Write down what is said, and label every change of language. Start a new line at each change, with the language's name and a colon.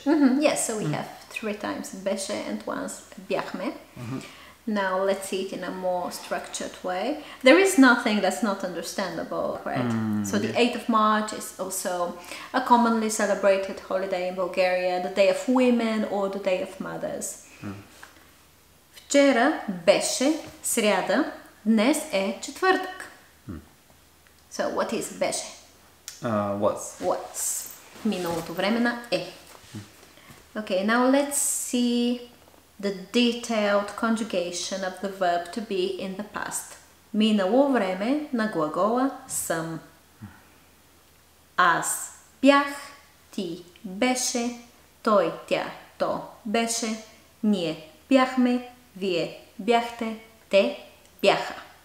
English: Yes, so we have three times беше and once бяхме. Now let's see it in a more structured way. There is nothing that's not understandable, right? So the 8th of March is also a commonly celebrated holiday in Bulgaria, the Day of Women or the Day of Mothers.
Bulgarian: Вчера беше сряда, днес е четвъртък.
English: So what is беше? Was.
Bulgarian: Was. Миналото време на е.
English: Okay, now let's see the detailed conjugation of the verb to be in the past.
Bulgarian: Минало време на глагола съм. Аз бях, ти беше, той, тя, то беше, ние бяхме, вие бяхте, те бяха.